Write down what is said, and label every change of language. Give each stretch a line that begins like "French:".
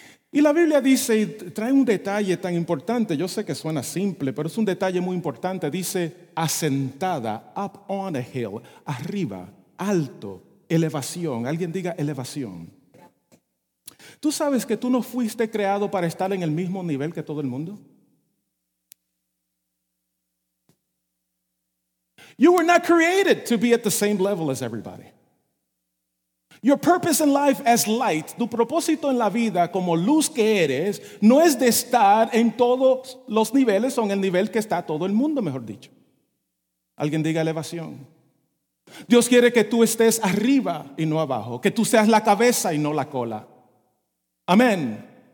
Spanish: Y la Biblia dice, y trae un detalle tan importante, yo sé que suena simple, pero es un detalle muy importante. Dice, asentada,
English: up on a hill,
Spanish: arriba, alto, elevación. Alguien diga elevación. ¿Tú sabes que tú no fuiste creado para estar en el mismo nivel que todo el mundo?
English: You were not created to be at the same level as everybody. Your purpose in life as light,
Spanish: tu propósito en la vida como luz que eres, no es de estar en todos los niveles o en el nivel que está todo el mundo, mejor dicho. Alguien diga elevación. Dios quiere que tú estés arriba y no abajo, que tú seas la cabeza y no la cola. Amén.